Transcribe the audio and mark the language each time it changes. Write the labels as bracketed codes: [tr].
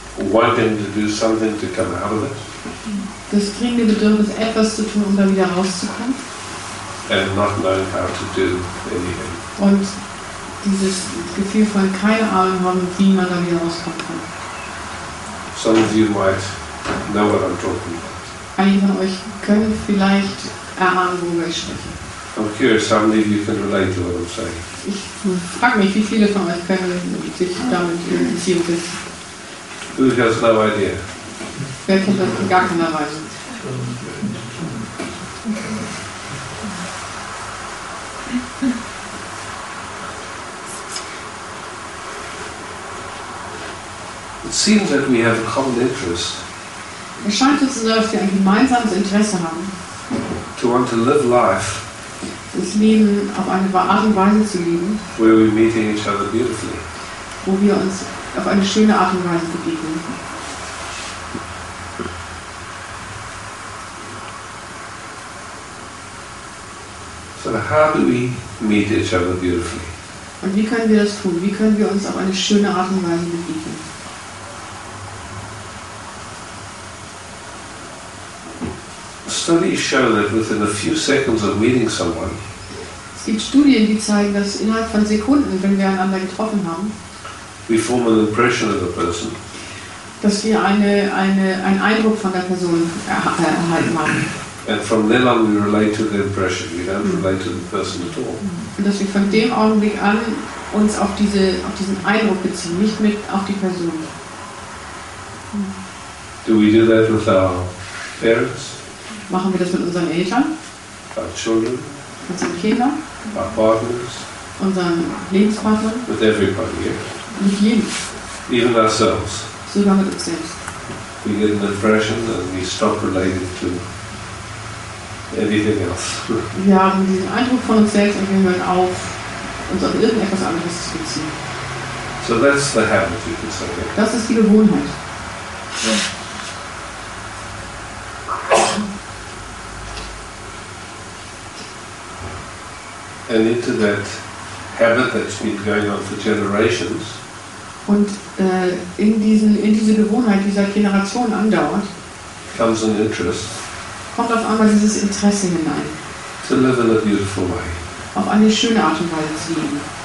[en] Wanting to do something to come out of it. [de] Das dringende Bedürfnis, etwas zu tun, um dann wieder rauszukommen. [en] And not knowing how to do anything. [de] Und dieses Gefühl von keine Ahnung haben, wie man da wieder rauskommen kann. [en] Some of you might know what I'm talking about. [de] Einige von euch können vielleicht erahnen, worüber ich spreche. [en] I'm curious how many of you can relate to what I'm saying. [de] Ich frage mich, wie viele von euch können sich damit identifizieren können. [en] Who has no idea? [de] Wer kennt das in gar keiner Weise? [en] It seems that we have a common interest. [de] Es scheint so, dass wir ein gemeinsames Interesse haben. [en] To want to live life. [de] Das Leben auf eine Art und Weise zu leben. [en] Where we're meeting each other beautifully. [de] Wo wir uns auf eine schöne Art und Weise begegnen. [en] So how do we meet each other beautifully? [de] Und wie können wir das tun? Wie können wir uns auf eine schöne Art und Weise begegnen? [en] Studies show that within a few seconds of meeting someone. [de] Es gibt Studien, die zeigen, dass innerhalb von Sekunden, wenn wir einander getroffen haben, [en] we form an impression of a person. [de] Dass wir einen Eindruck von der Person erhalten haben. [en] And from then on we relate to the impression. We don't relate to the person at all. [de] Und dass wir von dem Augenblick an uns auf diesen Eindruck beziehen, nicht mit auf die Person. [en] Do we do that with our parents? [de] Machen wir das mit unseren Eltern? [en] Our children. [de] Mit unseren Kindern? [en] Our partners. [de] Unseren Lebenspartnern? [en] With everybody, yeah. [de] Mit jedem. [en] Even ourselves. [de] Sogar mit uns selbst. [en] We get an impression and we stop relating to anything else. [de] Wir haben diesen Eindruck von uns selbst und wir hören auf, uns auf irgendetwas anderes zu beziehen. [en] So that's the habit, you can say. Yeah. [de] Das ist die Gewohnheit. [en] And into that habit that's been going on for generations. [de] Und in diese Gewohnheit, die seit Generationen andauert, [en] comes an interest. [de] Kommt auf einmal dieses Interesse hinein. [en] To live in a beautiful way. [de] Auf eine schöne Art und Weise zu leben.